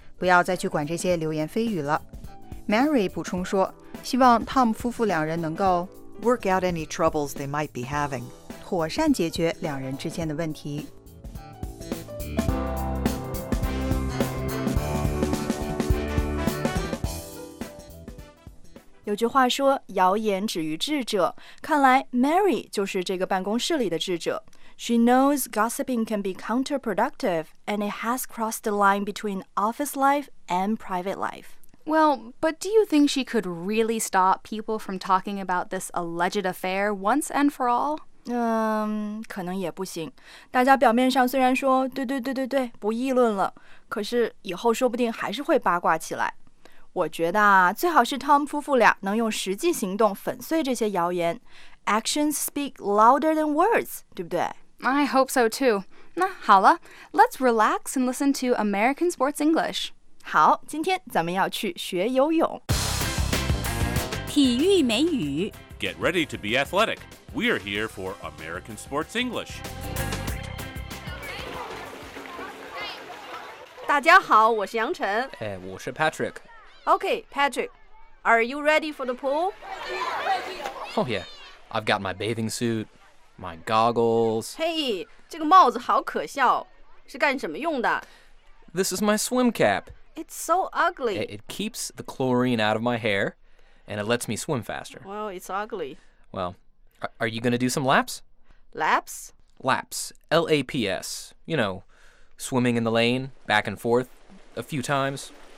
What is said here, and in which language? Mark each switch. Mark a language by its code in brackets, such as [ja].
[zh] 不要再去管这些流言蜚语了。 Mary 补充说，希望 Tom 夫妇两人能够 [en] work out any troubles they might be having， [zh] 妥善解决两人之间的问题。有句话说，谣言止于智者。看来 Mary 就是这个办公室里的智者。 [en] She knows gossiping can be counterproductive, and it has crossed the line between office life and private life. Well, but do you think she could really stop people from talking about this alleged affair once and for all? [zh] 可能也不行。大家表面上虽然说对对对对对，不议论了，可是以后说不定还是会八卦起来。我觉得啊，最好是 Tom 夫妇俩能用实际行动粉碎这些谣言。 [en] Actions speak louder than words, [zh] 对不对？ [en] I hope so too. [zh] 那好了， [en] let's relax and listen to American Sports English. [zh] 好，今天咱们要去学游泳。体育美语。 [en] Get ready to be athletic. We are here for American Sports English. [zh] 大家好，我是杨晨。哎，我是 Patrick。 [en] Okay, Patrick, are you ready for the pool? Oh yeah, I've got my bathing suit, my goggles. [zh] Hey, 这个帽子好可笑，是干什么用的？ [en] This is my swim cap. It's so ugly. It keeps the chlorine out of my hair, and it lets me swim faster. Well, it's ugly. Well, are you going to do some laps? Laps? Laps, L-A-P-S. You know, swimming in the lane, back and forth, a few times.